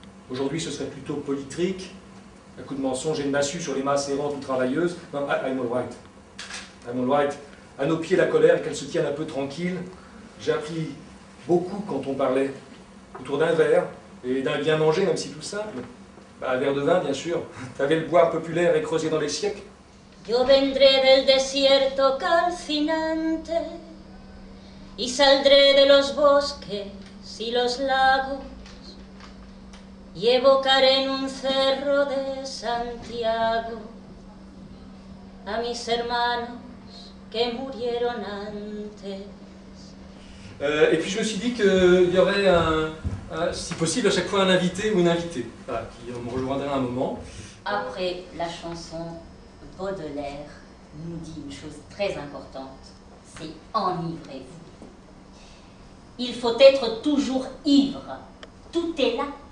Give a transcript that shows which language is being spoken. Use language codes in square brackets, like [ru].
[fr] Aujourd'hui, ce serait plutôt politrique. Un coup de mensonge et de massue sur les masses errantes ou travailleuses. Non, [en] I'm all right. I'm all right. [fr] À nos pieds, la colère, qu'elle se tienne un peu tranquille. J'ai appris beaucoup quand on parlait autour d'un verre et d'un bien manger, même si tout simple. Bah, un verre de vin, bien sûr. T'avais le boire populaire et creusé dans les siècles. [es] Yo vendré del desierto calcinante y saldré de los bosques y los lagos. Y evocaré en un cerro de Santiago a mis hermanos que murieron antes. [fr] Et puis je me suis dit qu'il y aurait, si possible, à chaque fois un invité ou une invitée qui me rejoindrait à un moment. Après la chanson, Baudelaire nous dit une chose très importante, c'est enivrez-vous. Il faut être toujours ivre, tout est là.